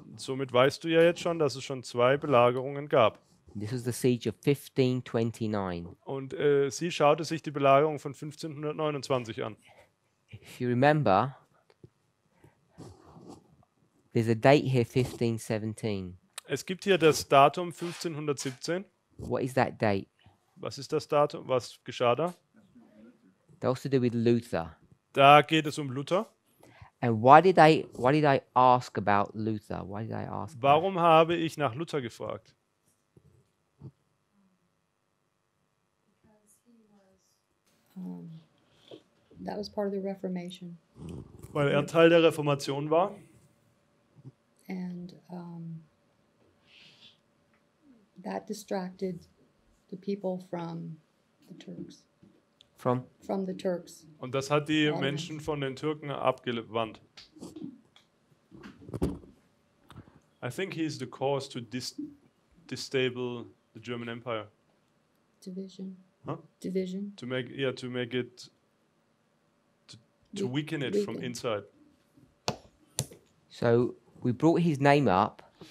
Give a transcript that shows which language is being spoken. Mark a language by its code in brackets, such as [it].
[de] Somit weißt du ja jetzt schon, dass es schon zwei Belagerungen gab. [en] This is the siege of 1529. [de] Und sie schaute sich die Belagerung von 1529 an. [en] If you remember, there's a date here, 1517. [de] Es gibt hier das Datum 1517. [en] What is that date? [de] Was ist das Datum? Was geschah da? [en] That has to do with Luther. [de] Da geht es um Luther. [en] And why did I ask about Luther? Why did I ask? [de] Warum habe ich nach Luther gefragt? [en] Because he was that was part of the Reformation. Weil er Teil der Reformation war. And that distracted the people from the Turks. From the Turks. [de] Und das hat die Menschen von den Türken abgewandt. [en] I think he is the cause to destabilize the German Empire. Division. Huh? Division. To weaken it from inside. So we brought his name up.